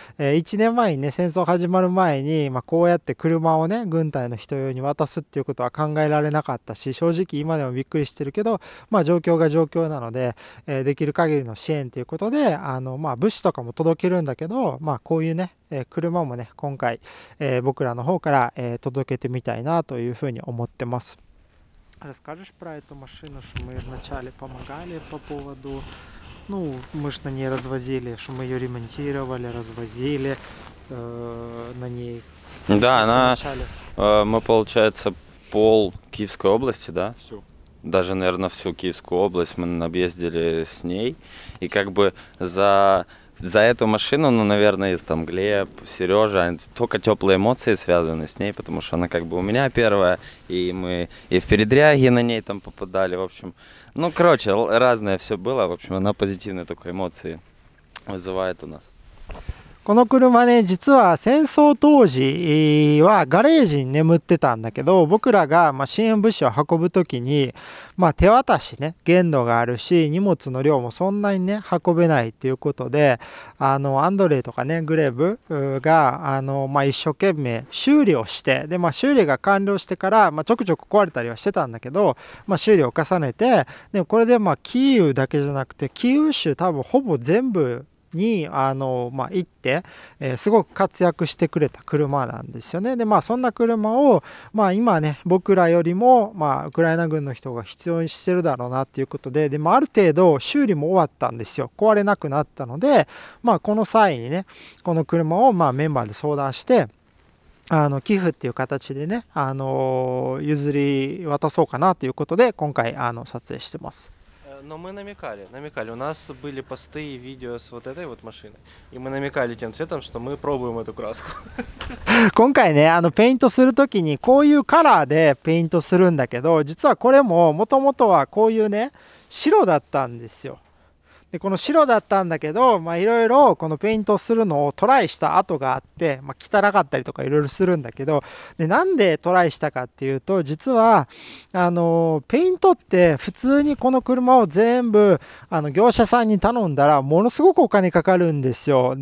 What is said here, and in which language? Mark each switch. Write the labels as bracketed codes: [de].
[ja] 1年前にね戦争始まる前にこうやって車をね軍隊の人用に渡すっていうことは考えられなかったし、正直今でもびっくりしてるけど、まあ状況が状況なので、できる限りの支援ということで、あのまあ物資とかも届けるんだけど、まあこういうね車もね今回、僕らの方から、届けてみたいなというふうに思ってます。 [ru] Расскажешь про эту машину, что мы вначале помогали по поводу, ну, мы же на ней развозили, что мы ее ремонтировали, развозили на ней. Да, она, мы, получается, пол Киевской области, да? Всю. Даже, наверное, всю Киевскую область мы объездили с ней. И как бы за эту машину, ну, наверное, там Глеб, Сережа, только теплые эмоции связаны с ней, потому что она как бы у меня первая, и мы и в передряги на ней там попадали, в общем, ну, короче, разное все было, в общем, она позитивные только эмоции вызывает у нас. [ja] この車ね、実は戦争当時はガレージに眠ってたんだけど、僕らが支援物資を運ぶ時に、まあ、手渡しね限度があるし、荷物の量もそんなにね運べないっていうことで、あのアンドレイとかねグレブが、あの、まあ、一生懸命修理をして、で、まあ、修理が完了してから、まあ、ちょくちょく壊れたりはしてたんだけど、まあ、修理を重ねて、でもこれで、まあ、キーウだけじゃなくてキーウ州多分ほぼ全部に、あの、まあ、行って、すごく活躍してくれた車なんですよね。で、まあ、そんな車を、まあ、今ね僕らよりも、まあ、ウクライナ軍の人が必要にしてるだろうなっていうことで、でもある程度修理も終わったんですよ。壊れなくなったので、まあ、この際にねこの車を、まあ、メンバーで相談して、あの寄付っていう形でね、譲り渡そうかなということで今回、あの撮影してます。 [ru] Но мы намекали. У нас были посты и видео с вот этой вот машиной. И мы намекали тем цветом, что мы пробуем эту краску. [ja] 今回ね、あのペイントするときにこういうカラーでペイントするんだけど、実はこれももともとはこういうね、白だったんですよ。でこの白だったんだけど、まあ、いろいろこのペイントするのをトライした跡があって、まあ、汚かったりとかいろいろするんだけど、でなんでトライしたかっていうと、実はあのペイントって普通にこの車を全部あの業者さんに頼んだらものすごくお金かかるんですよ。